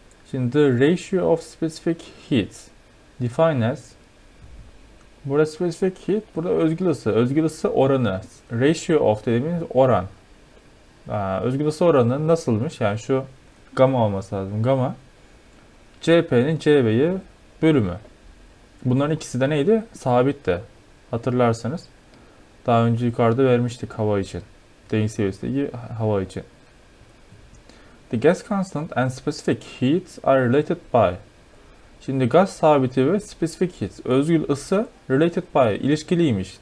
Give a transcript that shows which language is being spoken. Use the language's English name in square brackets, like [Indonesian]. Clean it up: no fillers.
[Turkish] Şimdi [English] the ratio of specific heat defined as [Turkish] burada specific heat burada özgül ısı oranı [English] ratio of [Turkish] dediğimiz oran özgül ısı oranı nasılmış yani şu gama olması lazım gama CP'nin CV'yi bölümü bunların ikisi de neydi sabitti hatırlarsanız daha önce yukarıda vermiştik hava için deniz seviyesindeki hava için. [English] The gas constant and specific heat are related by. [Turkish] Şimdi gaz sabiti ve [English] specific heat, [Turkish] özgül ısı [English] related by [Turkish] ilişkiliymiş.